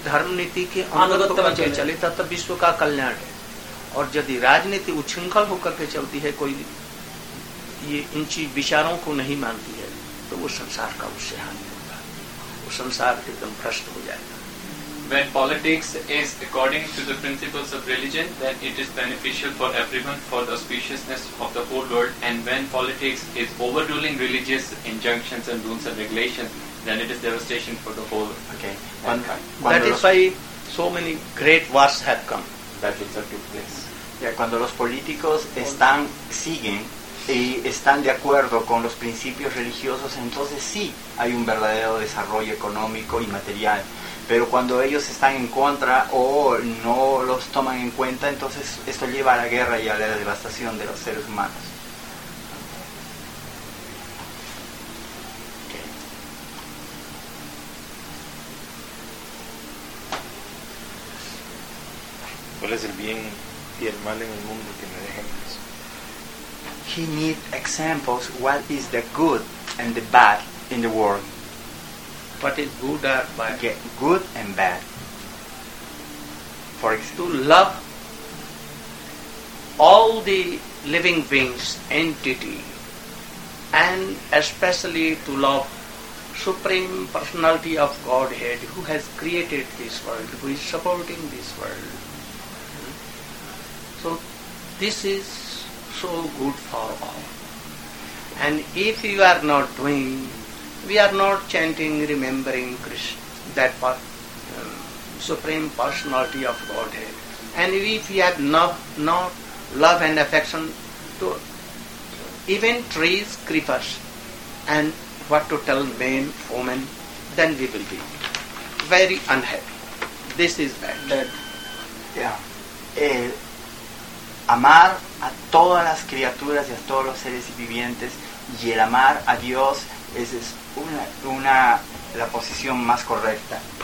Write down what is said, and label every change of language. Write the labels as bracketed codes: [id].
[hi] धर्म नीति के अनुगत होकर चले तत्त्व विश्व का कल्याण है, और यदि राजनीति उच्छृंखल होकर के चलती है, कोई ये इनकी विचारों को नहीं मानती है, तो वो संसार का उससे हानि होगा, वो संसार एकदम भ्रष्ट हो जाएगा. [en] When politics is according to the principles of religion, then it is beneficial for everyone, for the auspiciousness of the whole world. And when politics is overruling religious injunctions and rules and regulations, then it is devastation for the whole mankind. That is why so many great wars have come. That is took place. [es] Yeah, cuando los políticos están, siguen y están de acuerdo con los principios religiosos, entonces sí hay un verdadero desarrollo económico y material. Pero cuando ellos están en contra o no los toman en cuenta, entonces esto lleva a la guerra y a la devastación de los seres humanos. ¿Cuál es el bien y el mal en el mundo? Tiene ejemplos. [en] He need examples. What is the good and the bad in the world? What is good or bad? Okay, good and bad. For example, to love all the living beings, entity, and especially to love Supreme Personality of Godhead, who has created this world, who is supporting this world. So this is so good for all. And if you are not doing, we are not chanting, remembering Krishna, that part, Supreme Personality of Godhead. And if we have not love and affection to even trees, creepers, and what to tell men, women, then we will be very unhappy. This is bad. That, yeah. [es] Amar a todas las criaturas y a todos los seres vivientes y el amar a Dios es una la posición más correcta.